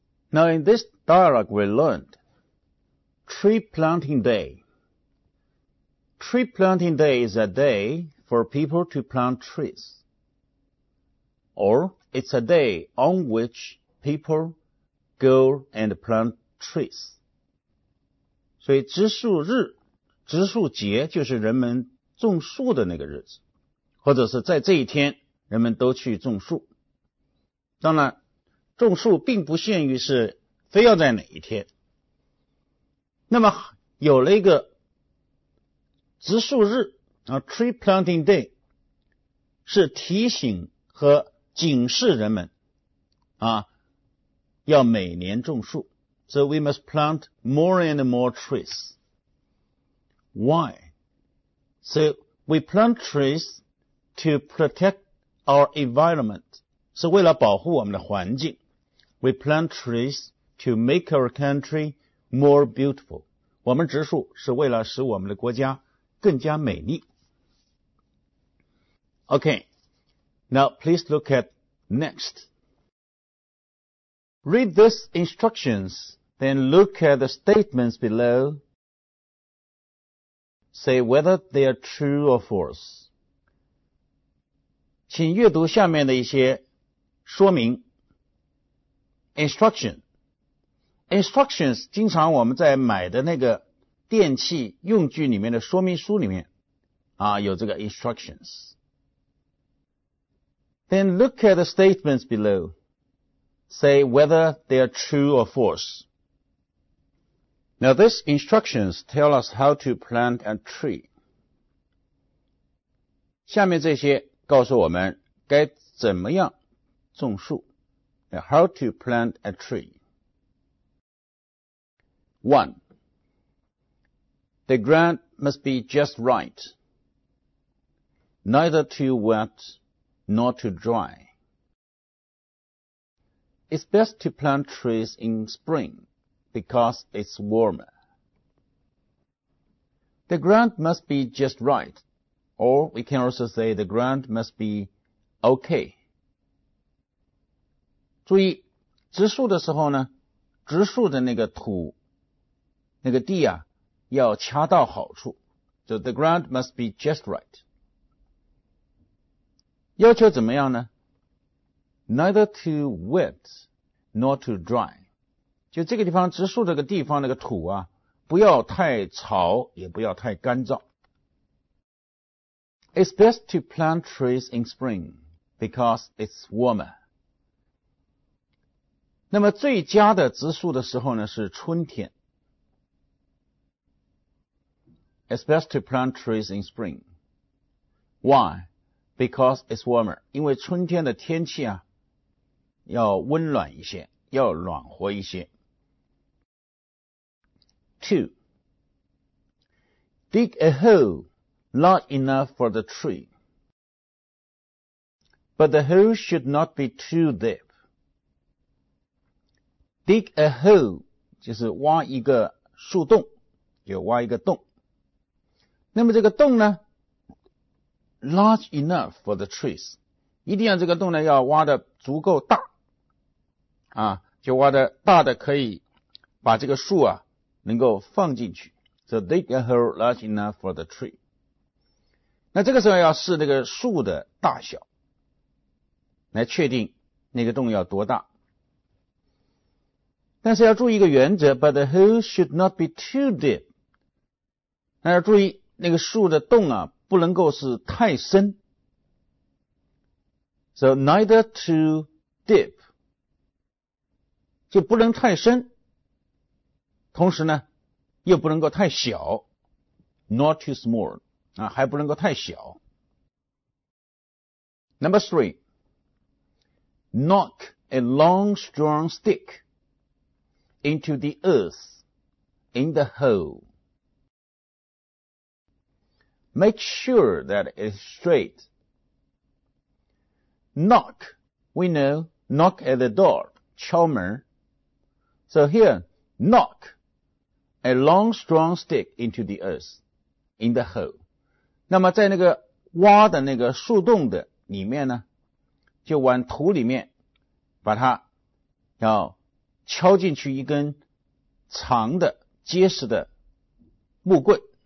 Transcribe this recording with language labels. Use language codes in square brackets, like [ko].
[en] Now in this dialogue we learned tree planting day. Tree planting day is a day for people to plant trees. Or it's a day on which people go and plant trees. [zh] 所以植树日、植树节就是人们种树的那个日子，或者是在这一天人们都去种树。当然种树并不限于是非要在哪一天。那么有了一个植树日啊 , [en] tree planting day, [zh] 是提醒和警示人们啊要每年种树。 [en] So we must plant more and more trees. Why? So we plant trees to protect our environment. [zh] 是为了保护我们的环境。 [en] We plant trees to make our country more beautiful. [zh] 我们植树是为了使我们的国家更加美丽。 [en] Okay, now please look at next. Read these instructions. Then look at the statements below. Say whether they are true or false. [zh] 请阅读下面的一些说明。 [en] Instruction. Instructions [zh] 经常我们在买的那个电器用具里面的说明书里面啊，有这个 instructions. [en] Then look at the statements below. Say whether they are true or false. Now these instructions tell us how to plant a tree. [zh] 下面这些告诉我们该怎么样种树。 [en] Now, how to plant a tree. 1. The ground must be just right. Neither too wet nor too dry. It's best to plant trees in spring. Because it's warmer. The ground must be just right, or we can also say the ground must be okay. [zh] 注意，植树的时候呢，植树的那个土，那个地啊，要恰到好处。 [en] So the ground must be just right. [zh] 要求怎么样呢？ [en] Neither too wet, not too dry. [zh] 就这个地方植树这个地方那个土啊不要太潮也不要太干燥。 [en] It's best to plant trees in spring because it's warmer. [zh] 那么最佳的植树的时候呢是春天。 [en] It's best to plant trees in spring. Why? Because it's warmer. [zh] 因为春天的天气啊要温暖一些要暖和一些。 [en] Two. Dig a hole large enough for the tree. But the hole should not be too deep. Dig a hole, [zh] 就是挖一个树洞就挖一个洞。那么这个洞呢 [en] large enough for the trees. [zh] 一定要这个洞呢要挖的足够大。啊就挖的大的可以把这个树啊能够放进去。 [en] So dig a hole large enough for the tree. [zh] 那这个时候要试那个树的大小来确定那个洞要多大。但是要注意一个原则 [en] but the hole should not be too deep. [zh] 那要注意那个树的洞啊不能够是太深。 [en] So neither too deep. [zh] 就不能太深。同时呢又不能够太小 [en] not too small [zh] 啊，还不能够太小 [en] Number three Knock a long strong stick into the earth in the hole Make sure that it is straight Knock We know knock at the door [zh] 敲门 [en] So here knockA long strong stick into the earth, in the hole. [zh] 那么在那个挖的那个树洞的里面呢就往土里面把它要敲进去一根长的结实的木棍。